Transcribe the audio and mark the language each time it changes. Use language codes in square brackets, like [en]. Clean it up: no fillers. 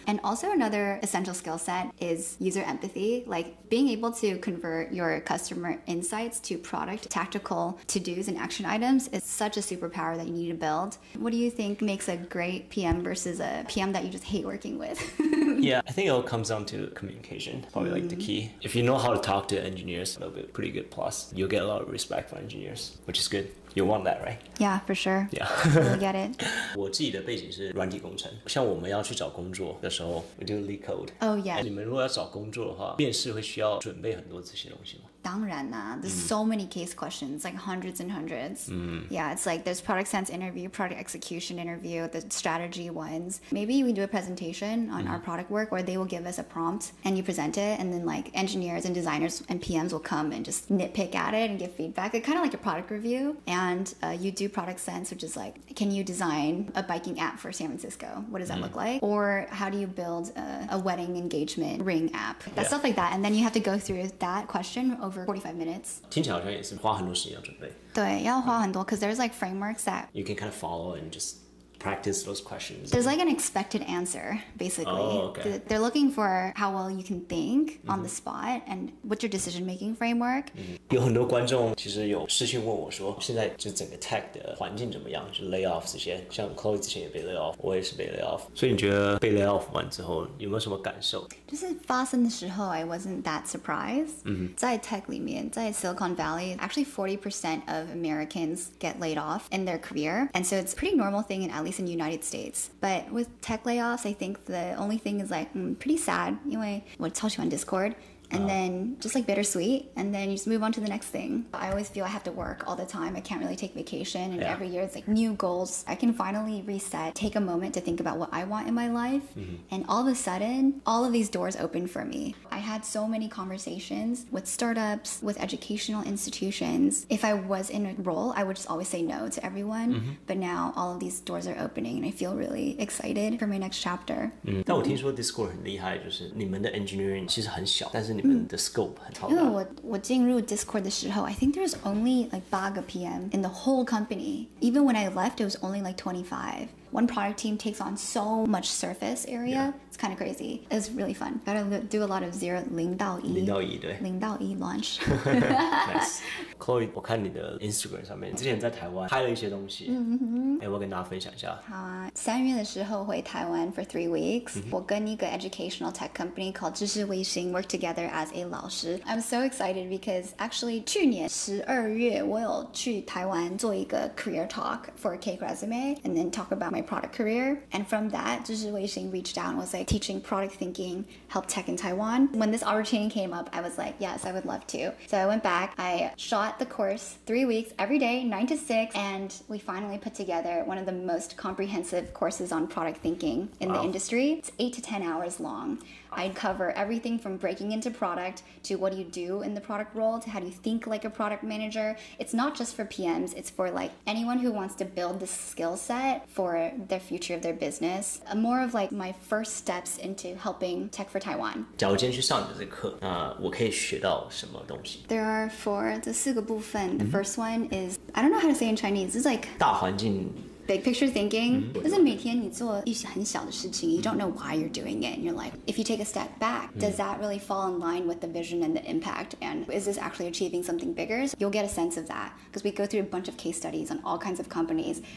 [en] And also another essential skill set is user empathy, like being able to convert your customer insights to product tactical to-dos and action items is such a superpower that you need to build. What do you think makes a great PM versus a PM that you just hate working with? Yeah, I think it all comes down to communication, probably like the key. If you know how to talk to engineers, that'll be a pretty good plus. You'll get a lot of respect for engineers. Which is good. You want that, right? Yeah, for sure. Yeah. You get it. [zh] 我自己的背景是软体工程。像我们要去找工作的时候 [en] we do lead code. Oh, yeah. [zh] 你们如果要找工作的话面试会需要准备很多这些东西吗当然啦、 [en] 啊、There's so many case questions, like hundreds and hundreds.、 Mm. Yeah, it's like there's product sense interview, product execution interview, the strategy ones. Maybe we do a presentation on our product work or they will give us a prompt and you present it and then like engineers and designers and PMs will come and just nitpick at it and give feedback. It's kind of like a product review. And、you do product sense, which is like, can you design a biking app for San Francisco? What does that look like? Or how do you build a wedding engagement ring app? That's stuff like that. And then you have to go through that question over 45 minutes. [zh] 听起来好像也是花很多时间要准备。对，要花很多， [en] because there's like frameworks that... You can kind of follow and just... practice those questions. There's like an expected answer, basically. Oh, okay. They're looking for how well you can think on the spot and what's your decision-making framework. [zh] 有很多观众其实有私讯问我说现在就整个 tech 的环境怎么样就 lay off 这些像 Chloe 之前也被 lay off 我也是被 lay off 所以你觉得被 lay off 完之后有没有什么感受就是发生的时候 [en] I wasn't that surprised. 在 tech 里面在 Silicon Valley actually 40% of Americans get laid off in their career. And so it's a pretty normal thing in at least in the United States. But with tech layoffs, I think the only thing is like, pretty sad. Anyway, what tells you on Discord? And then just like bittersweet. And then you just move on to the next thing. I always feel I have to work all the time. I can't really take vacation. And every year it's like new goals. I can finally reset, take a moment to think about what I want in my life. And all of a sudden, all of these doors open for me. I had so many conversations with startups, with educational institutions. If I was in a role, I would just always say no to everyone. But now all of these doors are opening and I feel really excited for my next chapter. [zh] 但我听说 Discord 很厉害就是你们的 engineering 其实很小但是你们的 scope 很超大因为 我进入 Discord 的时候 [en] I think there's only like 8 PM in the whole company. Even when I left, it was only like 25. One product team takes on so much surface area. It's kind of crazy. It's really fun. Gotta do a lot of 0-1. [zh] 0-1, 对。 [en] 0-1 launch. Nice. [zh] Chloe, 我看你的 Instagram 上面之前在台湾拍了一些东西。我跟大家分享一下。好啊。三月的时候回台湾 [en] for 3 weeks. [zh] 我跟一个 [en] educational tech company called 知识卫星 work together as a 老师。 I'm so excited because actually [zh] 去年12月我有去台湾做一个 [en] career talk for a cake resume and then talk about my product career. And from that, 知识卫星 reached out and was like, teaching product thinking, help tech in Taiwan. When this opportunity came up, I was like, yes, I would love to. So I went back, I shot the course 3 weeks, every day, 9 to 6, and we finally put together one of the most comprehensive courses on product thinking in the industry. It's 8 to 10 hours long. I'd cover everything from breaking into product to what do you do in the product role to how do you think like a product manager. It's not just for PMs. It's for like anyone who wants to build the skill set for the future of their business. More of like my first steps into helping Tech for Taiwan. [zh] 假如今天去上你的这课，那我可以学到什么东西？ [en] There are four. [zh] 这四个部分。 [en] The first one is I don't know how to say in Chinese. It's like [zh] 大环境。 [en] Big picture thinking. [zh] 就是每天你做一些很小的事情 [en] you don't know why you're doing it. And you're like, if you take a step back, does that really fall in line with the vision and the impact? And is this actually achieving something bigger? So you'll get a sense of that. Because we go through a bunch of case studies on all kinds of companies.